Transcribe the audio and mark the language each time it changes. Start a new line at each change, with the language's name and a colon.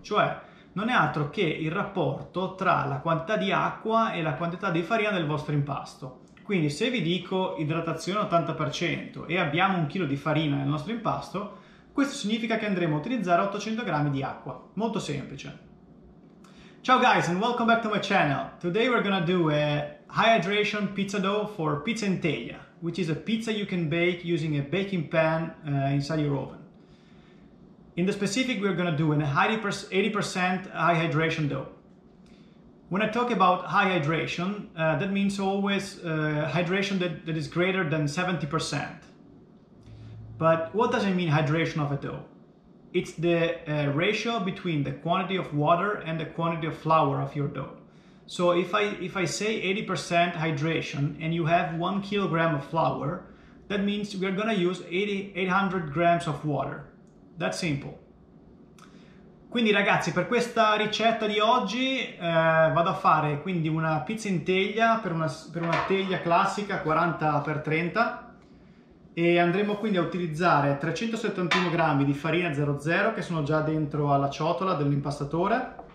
Italian: Cioè, non è altro che il rapporto tra la quantità di acqua e la quantità di farina del vostro impasto. Quindi se vi dico idratazione 80% e abbiamo un chilo di farina nel nostro impasto, questo significa che andremo a utilizzare 800 g di acqua. Molto semplice.
English: Ciao guys and welcome back to my channel. Today we're gonna do a high hydration pizza dough for pizza in teglia, which is a pizza you can bake using a baking pan inside your oven. In the specific, we're gonna do an 80% high hydration dough. When I talk about high hydration, that means always hydration that is greater than 70%. But what does it mean hydration of a dough? It's the ratio between the quantity of water and the quantity of flour of your dough. So if I say 80% hydration and you have 1 kilogram of flour, that means we are gonna use 800 grams of water. That's simple.
Italian: Quindi ragazzi, per questa ricetta di oggi vado a fare quindi una pizza in teglia per una teglia classica 40x30 e andremo quindi a utilizzare 371 g di farina 00 che sono già dentro alla ciotola dell'impastatore.